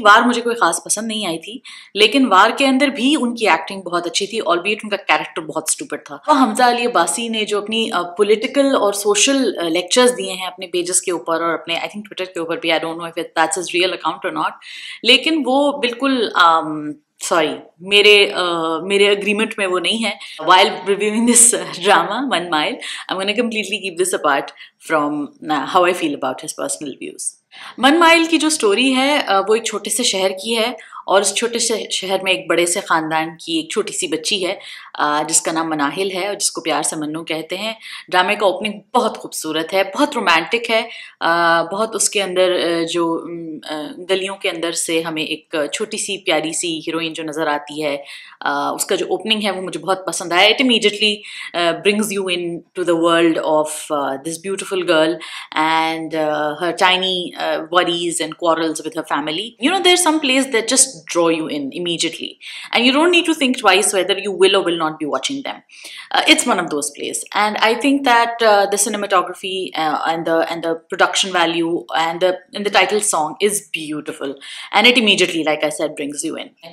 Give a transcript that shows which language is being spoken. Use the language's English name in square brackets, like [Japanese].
[Hindi] वार मुझे कोई खास पसंद नहीं आई थी, लेकिन वार के अंदर भी उनकी एक्टिंग बहुत अच्छी थी, ऑलबियट उनका कैरेक्टर बहुत स्टूपिड था। तो हमजा अली अब्बासी ने जो अपनी पोलिटिकल और सोशल लेक्चर्स दिए हैं अपने पेजेस के ऊपर और अपने [English] I think [Hindi] ट्विटर के ऊपर भी, [English] I don't know if that's his real account or not, [Hindi] लेकिन वो बिल्कुल मेरे अग्रीमेंट में वो नहीं है। [English] While reviewing this drama, Mann Mayal, I'm gonna completely keep this apart from how I feel about his personal views. [Hindi] Mann Mayal की जो स्टोरी है वो एक छोटे से शहर की है, और उस छोटे से शहर में एक बड़े से खानदान की एक छोटी सी बच्ची है जिसका नाम मनाहिल है और जिसको प्यार से मन्नू कहते हैं। ड्रामे का ओपनिंग बहुत खूबसूरत है, बहुत रोमांटिक है, बहुत उसके अंदर जो गलियों के अंदर से हमें एक छोटी सी प्यारी सी हीरोइन जो नज़र आती है उसका जो ओपनिंग है वो मुझे बहुत पसंद आया। [English] It immediately brings you into the world of this beautiful girl and her tiny worries and quarrels with her family. You know there some plays that just draw you in immediately and you don't need to think twice whether you will or will not be watching them. It's one of those plays, and I think that the cinematography and the production value and the title song is beautiful, and it immediately, like I said, brings you in.